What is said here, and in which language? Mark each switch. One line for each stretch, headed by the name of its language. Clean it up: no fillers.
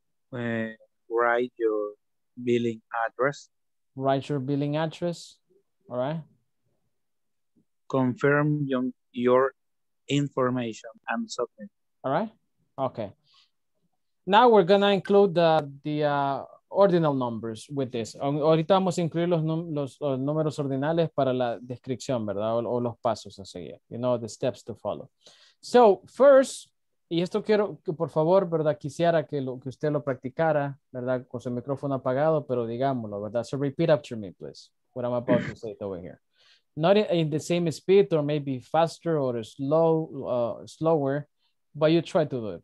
English: Write your billing address. Write your billing address, all right? Confirm your information and submit. All right. Okay. Now we're going to include the ordinal numbers with this.
Spanish: Ahorita vamos a incluir los números ordinales para la descripción, ¿verdad? O los pasos a seguir.
English: You know, the steps to follow. So first,
Spanish: y esto quiero que por favor, ¿verdad? Quisiera que usted lo practicara, ¿verdad? Con su micrófono apagado, pero digámoslo, ¿verdad?
English: So repeat after me, please, what I'm about to say over here. Not in the same speed or maybe faster or slower, but you try to do it.